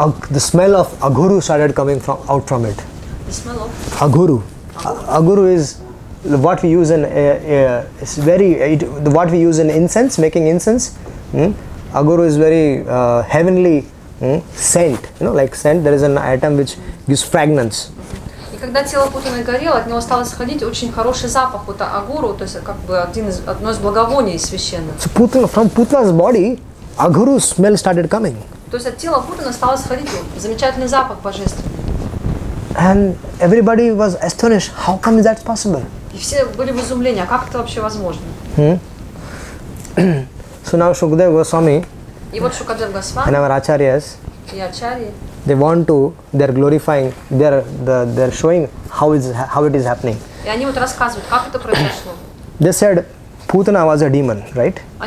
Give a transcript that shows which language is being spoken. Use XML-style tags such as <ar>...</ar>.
<en>the smell of aguru started coming from out from it. The smell of aguru. Aguru is what we use in it's very it, what we use in incense, making incense. Aguru is very heavenly scent, you know, like scent. There is an item which gives fragrance.</en> <ru>И когда тело Путаны горело, от него стал исходить очень хороший запах, вот агуру, то есть как бы одно из благовоний священных.</ru> <en>So Putana, from Putana's body, aguru smell started coming.</en> <ru>То есть от тела Путаны стал исходить замечательный запах божественный.</ru> <en>And everybody was astonished. How come is that possible?</en> <ru>И все были в изумлении. А как это вообще возможно?</ru> <en>So now Shukadeva Goswami and our acharyas, they want to, they're glorifying, they're showing how it is happening. They said Putana was a demon, right?</en>